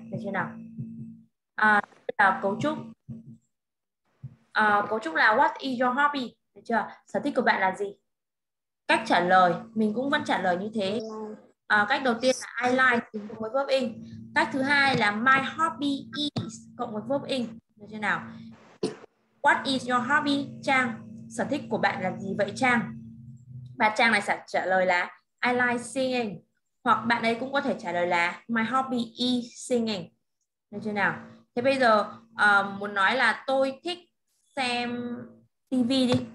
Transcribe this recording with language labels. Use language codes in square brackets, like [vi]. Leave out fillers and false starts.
[vi] Được chưa nào? Cấu trúc là [en] what is your hobby? [vi] Được chưa? Sở thích của bạn là gì? Cách trả lời, mình cũng vẫn trả lời như thế. Cách đầu tiên là [en] I like [vi] cộng với verb in. Cách thứ hai là [en] my hobby is [vi] cộng với verb in. Được chưa nào? [en] What is your hobby, Trang? [vi] Sở thích của bạn là gì vậy, Trang? Và Trang này sẽ trả lời là [en] I like singing. [vi] Hoặc bạn ấy cũng có thể trả lời là [en] my hobby is singing. [vi] Được chưa nào? Thế bây giờ muốn nói là tôi thích xem TV đi.